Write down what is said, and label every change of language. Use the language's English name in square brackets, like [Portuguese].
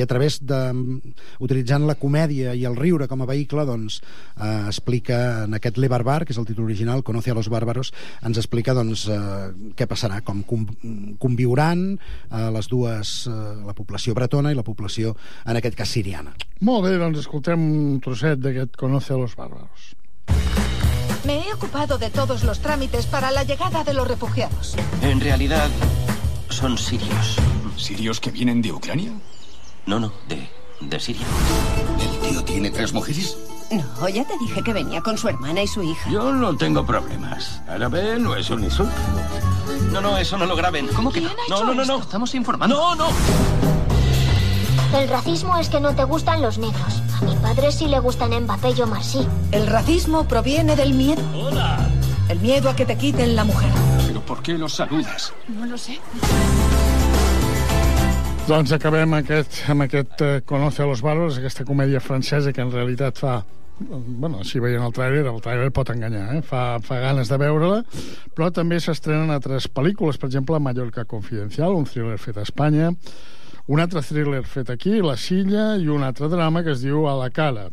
[Catalan] I a través de utilitzant la comèdia i el riure com a vehicle, doncs explica en aquest Le Barbar, que és el títol original, Conoce a los Bárbaros, ens explica doncs què passarà, com conviuran les dues, la població bretona i la població en aquest cas siriana. Molt bé, doncs escoltem un trosset d'aquest Conoce a los Bárbaros. [Spanish] Me he ocupado de todos los trámites para la llegada de los refugiados. En realidad, son sirios. ¿Sirios que vienen de Ucrania? No, no, de Siria. ¿El tío tiene tres mujeres? No, ya te dije que venía con su hermana y su hija. Yo no tengo problemas. Árabe no es un insulto. No, no, eso no lo graben. ¿Cómo que no? No, no, no, no, estamos informando. ¡No, no! El racismo es que no te gustan los negros. A mi padre sí le gustan Mbappé y Omar Sy. El racismo proviene del miedo. ¡Hola! El miedo a que te quiten la mujer. ¿Pero por qué los saludas? No lo sé. [Catalan] Doncs acabem amb aquest Conoce a los Bárbaros, aquesta comèdia francesa que en realitat fa... Bueno, si veien el tràiler pot enganyar, eh? Fa ganes de veure-la, però també s'estrenen altres pel·lícules, per exemple, Mallorca Confidencial, un thriller fet a Espanya, un altre thriller fet aquí, La Silla, i un altre drama que es diu A la cara.